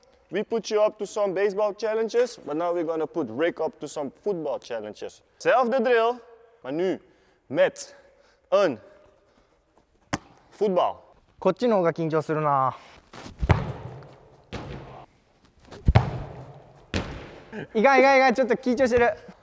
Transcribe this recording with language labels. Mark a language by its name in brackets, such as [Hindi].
[English] We put you up to some baseball challenges, but now we're gonna put Rick up to some football challenges. [Dutch] Zelfde drill, maar nu met een voetbal. [Japanese] こっちの方が緊張するな。意外意外意外、ちょっと緊張してる。